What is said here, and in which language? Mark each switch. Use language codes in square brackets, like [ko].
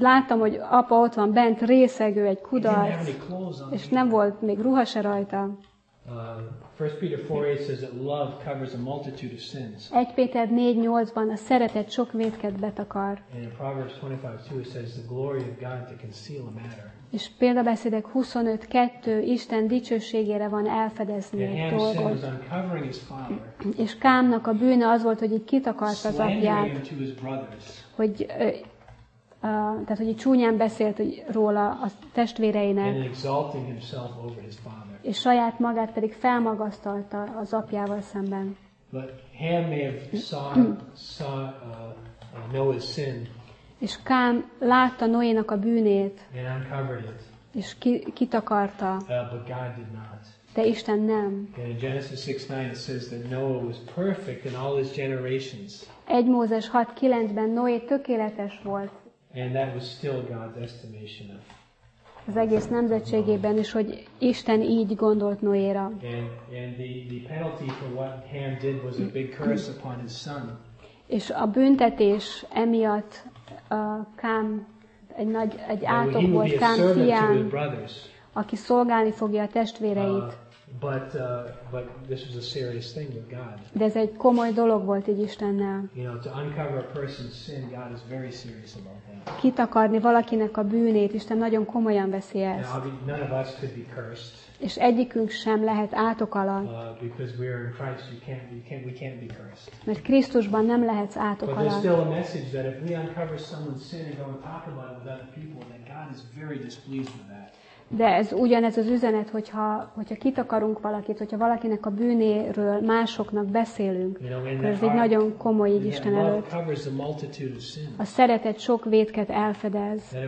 [hu] láttam, hogy apa ott van bent, részeg, ő egy kudarc, és nem volt még ruha se rajta. [en] 1 Peter 4:8 says that love covers a multitude of sins. [hu] 1 Péter 4:8-ban a szeretet sok vétket betakar. [en] And in Proverbs 25:2 it says the glory of God to conceal a matter. [hu] És Példabeszédek 25:2 Isten dicsőségére van elfedezni a dolgot. [en] Sin was uncovering his father. [hu] És Kámnak a bűne az volt, hogy így kitakarta az apját. Hogy Tehát, hogy így csúnyán beszélt róla a testvéreinek. [en] And exalting himself over his father. [hu] És saját magát pedig felmagasztalta az apjával szemben. [en] But Ham may have saw Noah's sin. [hu] És Kám látta Noénak a bűnét. [en] And uncovered it. [hu] És kitakarta. [en] But God did not. [hu] De Isten nem. [en] And in Genesis 6:9 it says that Noah was perfect in all his generations. [hu] 1 Mózes 6:9-ben Noé tökéletes volt. [en] And that was still God's estimation of. [hu] Az egész nemzetségében is, hogy Isten így gondolt Noéra. [en] And the penalty for what Ham did was a big curse upon his son. [hu] És a büntetés emiatt Kám egy nagy egy átok volt Kám fián, aki szolgálni fogja a testvéreit. [en] But this was a serious thing with God. [hu] De ez egy komoly dolog volt így Istennel. [en] You know, to uncover a person's sin, God is very serious about that. [hu] Kitakarni valakinek a bűnét, Isten nagyon komolyan veszi ezt. [en] Now, none of us could be cursed. [hu] És egyikünk sem lehet átok alatt. [en] Because we are in Christ, we can't be cursed. [hu] Mert Krisztusban nem lehetsz átok alatt. [en] But there's still a message that if we uncover someone's sin and go and talk about it with other people, then God is very displeased with that. [hu] De ez ugyanez az üzenet, hogyha kitakarunk valakit, hogyha valakinek a bűnéről másoknak beszélünk, ez egy nagyon komoly így Isten előtt. A szeretet sok vétket elfedez.